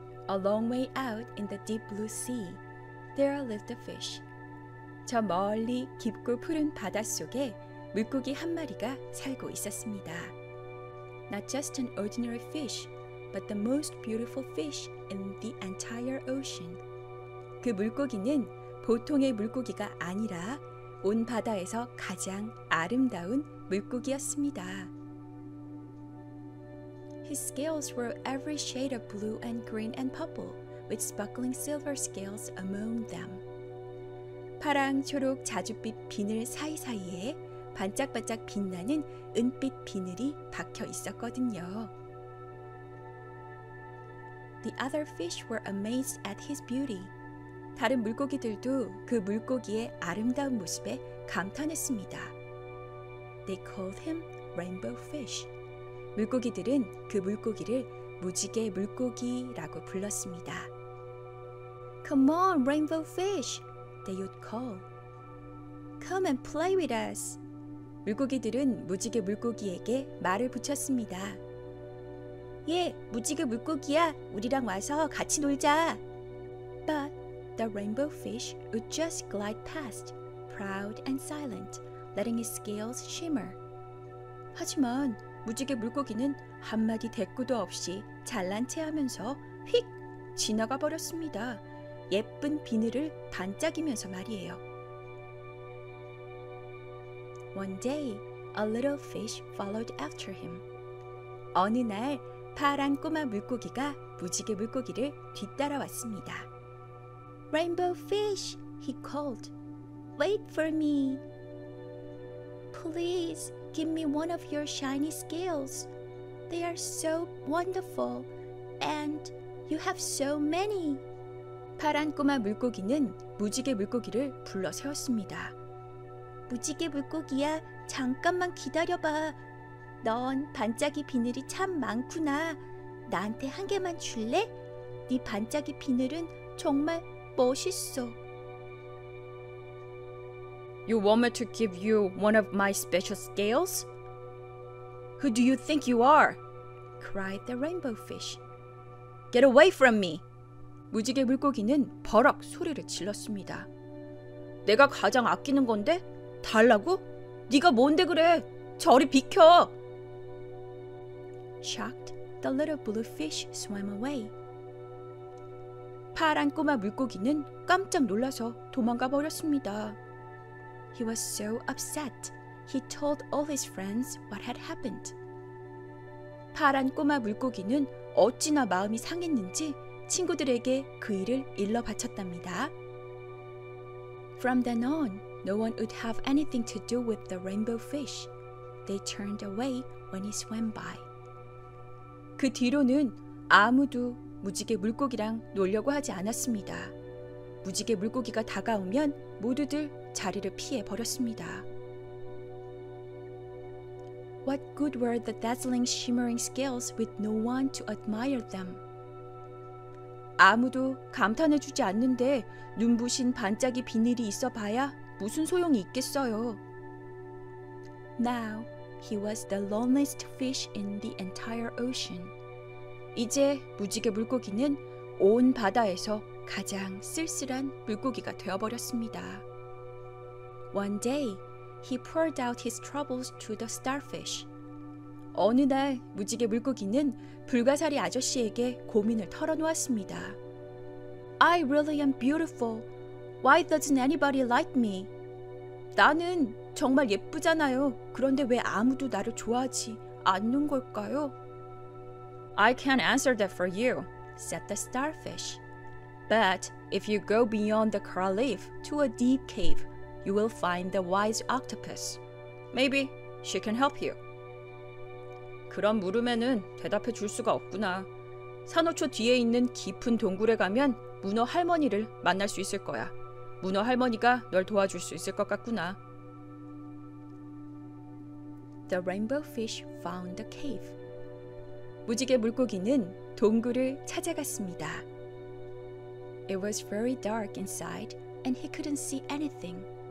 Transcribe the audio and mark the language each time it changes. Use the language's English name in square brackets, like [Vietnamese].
[English] A long way out in the deep blue sea, there lived a fish. [Korean] 저 멀리 깊고 푸른 바닷속에 물고기 한 마리가 살고 있었습니다. [English] Not just an ordinary fish, but the most beautiful fish in the entire ocean. [Korean] 그 물고기는 보통의 물고기가 아니라 온 바다에서 가장 아름다운 물고기였습니다. [English] His scales were every shade of blue and green and purple, with sparkling silver scales among them. [Korean] 파랑, 초록, 자줏빛 비늘 사이사이에 반짝반짝 빛나는 은빛 비늘이 박혀 있었거든요. [English] The other fish were amazed at his beauty. [Korean] 다른 물고기들도 그 물고기의 아름다운 모습에 감탄했습니다. [English] They called him Rainbow Fish. [Korean] 물고기들은 그 물고기를 무지개 물고기라고 불렀습니다. [English] Come on, Rainbow Fish! They would call. Come and play with us. [Korean] 물고기들은 무지개 물고기에게 말을 붙였습니다. 예, 무지개 물고기야. 우리랑 와서 같이 놀자. [English] But the rainbow fish would just glide past, proud and silent, letting his scales shimmer. [Korean] 하지만 무지개 물고기는 한마디 대꾸도 없이 잘난 체하면서 휙 지나가 버렸습니다. 예쁜 비늘을 반짝이면서 말이에요. [English] One day, a little fish followed after him. [Korean] 어느 날 파란 꼬마 물고기가 무지개 물고기를 뒤따라왔습니다. [English] Rainbow fish, he called. Wait for me. Please give me one of your shiny scales. They are so wonderful and you have so many. [Korean] 파란 꼬마 물고기는 무지개 물고기를 불러 세웠습니다. 무지개 물고기야, 잠깐만 기다려봐. 넌 반짝이 비늘이 참 많구나. 나한테 한 개만 줄래? 네 반짝이 비늘은 정말 멋있어. [English] You want me to give you one of my special scales? Who do you think you are? cried the rainbow fish. Get away from me! [Korean] 무지개 물고기는 버럭 소리를 질렀습니다. 내가 가장 아끼는 건데? 달라고? 네가 뭔데 그래? 저리 비켜! [English] Shocked, the little blue fish swam away. [Korean] 파란 꼬마 물고기는 깜짝 놀라서 도망가 버렸습니다. [English] He was so upset, he told all his friends what had happened. [Korean] 파란 꼬마 물고기는 어찌나 마음이 상했는지 친구들에게 그 일을 일러 바쳤답니다. [English] From then on, no one would have anything to do with the rainbow fish. They turned away when he swam by. [Korean] 그 뒤로는 아무도 무지개 물고기랑 놀려고 하지 않았습니다. 무지개 물고기가 다가오면 모두들 자리를 피해 버렸습니다. [English] What good were the dazzling shimmering scales with no one to admire them? [Korean] 아무도 감탄해 주지 않는데 눈부신 반짝이 비늘이 있어 봐야 무슨 소용이 있겠어요. [English] Now he was the loneliest fish in the entire ocean. [Korean] 이제 무지개 물고기는 온 바다에서 가장 쓸쓸한 물고기가 되어버렸습니다. [English] One day he poured out his troubles to the starfish. [Korean] 어느 날 무지개 물고기는 불가사리 아저씨에게 고민을 털어놓았습니다. [English] I really am beautiful. Why doesn't anybody like me? [Korean] 나는 정말 예쁘잖아요. 그런데 왜 아무도 나를 좋아하지 않는 걸까요? [English] I can't answer that for you, said the starfish. But if you go beyond the coral reef to a deep cave, you will find the wise octopus. Maybe she can help you. [Korean] 그런 물음에는 대답해 줄 수가 없구나. 산호초 뒤에 있는 깊은 동굴에 가면 문어 할머니를 만날 수 있을 거야. 문어 할머니가 널 도와줄 수 있을 것 같구나. [English] The rainbow fish found the cave. [Korean] 무지개 물고기는 동굴을 찾아갔습니다. [English] It was very dark inside and he couldn't see anything.